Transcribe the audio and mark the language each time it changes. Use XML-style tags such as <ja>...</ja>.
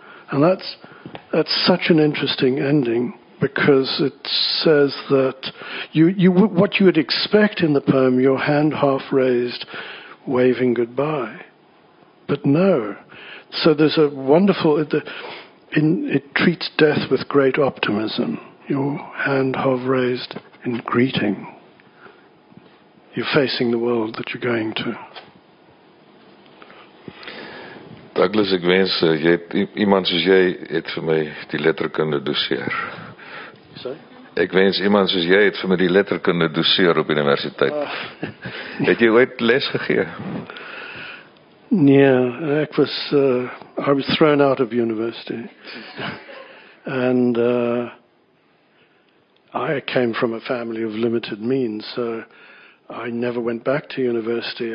<en>And that's such an interesting ending, because it says that what you would expect in the poem, your hand half raised, waving goodbye. But no. So there's a wonderful, it treats death with great optimism. Your hand half raised in greeting. You're facing the world that you're going to.</en> <af>Douglas, ek wens, jy het, iemand soos jy het vir my die letterkunde doseer.</af> <en>Sorry?</en> <af>Ek wens iemand soos jy het vir my die letterkunde doseer op universiteit. Het jy ooit les gegee? Nee, ek was,</af> <en>I was thrown out of university. And I came from a family of limited means, so I never went back to university.</en>